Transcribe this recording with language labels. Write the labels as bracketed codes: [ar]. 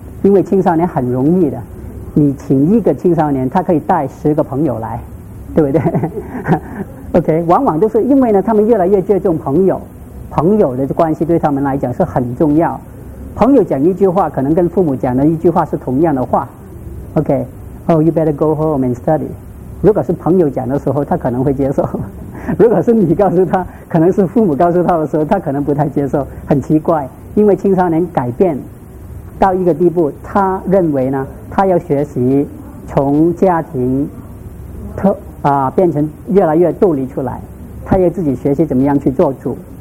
[zh] 因为青少年很容易的，你请一个青少年他可以带10个朋友来，对不对？OK， 往往都是因为呢他们越来越注重朋友，朋友的关系对他们来讲是很重要。朋友讲一句话，可能跟父母讲的一句话是同样的话。 [en] OK, oh, you better go home and study. [zh] 如果是朋友讲的时候，他可能会接受；如果是你告诉他，可能是父母告诉他的时候，他可能不太接受。很奇怪，因为青少年改变到一个地步，他认为呢，他要学习从家庭变成越来越独立出来，他要自己学习怎么样去做主。